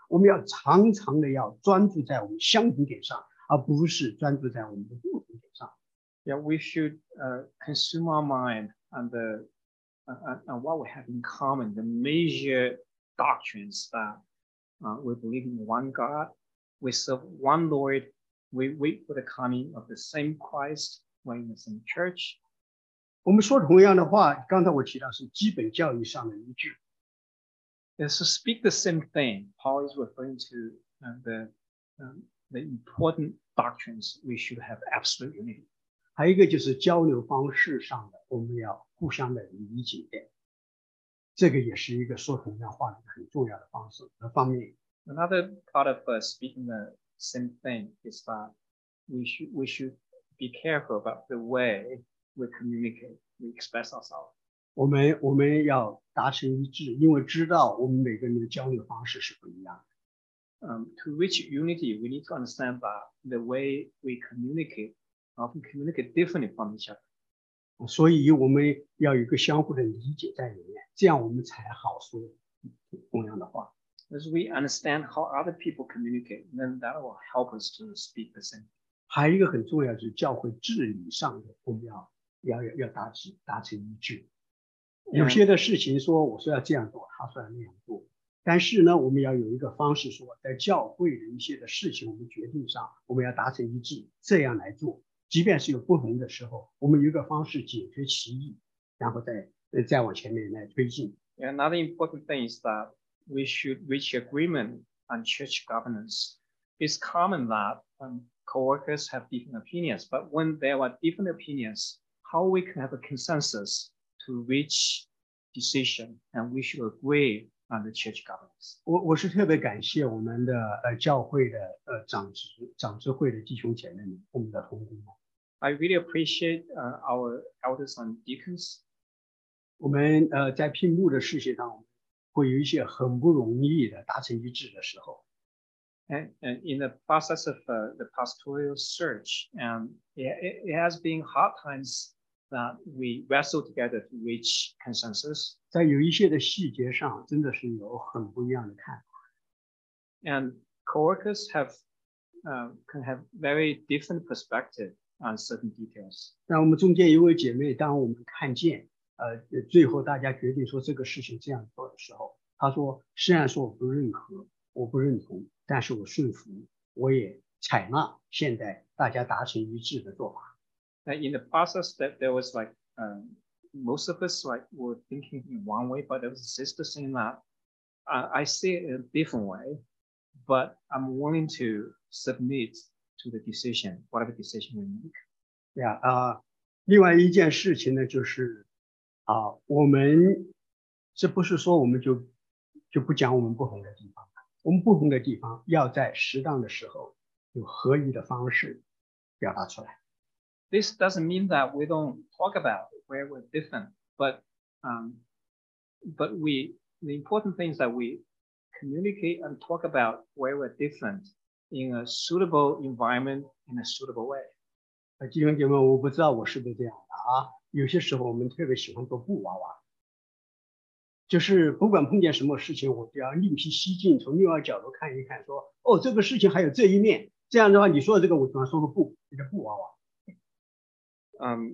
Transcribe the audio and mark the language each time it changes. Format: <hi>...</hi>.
<zh>我们要常常的要专注在我们相同点上，而不是专注在我们的不同点上。</zh> <en>Yeah, we should consume our mind on the on what we have in common, the major doctrines that we believe in one God. We serve one Lord. We wait for the coming of the same Christ. We're in the same church.</en> <zh>我们说同样的话，刚才我提到是基本教义上的依据。</zh> <en>And so speak the same thing. Paul is referring to the important doctrines we should have absolute unity.</en> <zh>还有一个就是交流方式上的，我们要互相的理解。这个也是一个说同样话的很重要的方式和方面。</zh> <en>Another part of speaking the same thing is that we should be careful about the way we communicate, we express ourselves.</en> <zh>我们要达成一致，因为知道我们每个人的交流方式是不一样的。</zh> <en>To reach unity, we need to understand that the way we communicate often communicate differently from each other.</en> <zh>所以我们要有一个相互的理解在里面，这样我们才好说同样的话。</zh> <en>As we understand how other people communicate, then that will help us to speak the same.</en> <zh>还有一个很重要就是教会治理上的，我们要达成一致。有些的事情说我说要这样做，他说要那样做，但是呢，我们要有一个方式说，在教会的一些的事情，我们决定上我们要达成一致，这样来做。即便是有不同的时候，我们有一个方式解决歧义，然后再往前面来推进。</zh> <en>Another important thing is that. We should reach agreement on church governance. It's common that co-workers have different opinions, but when there are different opinions, how we can have a consensus to reach decision, and we should agree on the church governance.</en> <zh>我是特别感谢我们的教会的长执会的弟兄姐妹们，我们的同工们。</zh> <en>I really appreciate our elders and deacons.</en> <zh>我们在聘牧的事情上。会有一些很不容易的达成一致的时候。</zh> <en>And in the process of the pastoral search, it has been hard times that we wrestle together to reach consensus.</en> <zh>在有一些的细节上真的是有很不一样的看法。</zh> <en>And co-workers can have very different perspective on certain details.</en> <zh>但我们中间一位姐妹当我们看见最后大家决定说这个事情这样做的时候，他说虽然说我不认可，我不认同，但是我顺服，我也采纳现在大家达成一致的做法。</zh> <en>Now in the process that there was like most of us like were thinking in one way, but there was a sister saying that I see it in a different way, but I'm willing to submit to the decision, whatever decision we make. Yeah,</en> <zh>另外一件事情呢就是。我们这不是说我们就不讲我们不同的地方，我们不同的地方要在适当的时候有合一的方式表达出来。</zh> <en>This doesn't mean that we don't talk about where we're different, but the important thing is that we communicate and talk about where we're different in a suitable environment in a suitable way.</en> <zh>弟兄姐妹，我不知道我是不是这样的啊。有些时候我们特别喜欢做布娃娃，就是不管碰见什么事情，我都要另辟蹊径，从另外角度看一看，说哦，这个事情还有这一面。这样的话，你说的这个，我喜欢说个布，一个布娃娃。</zh>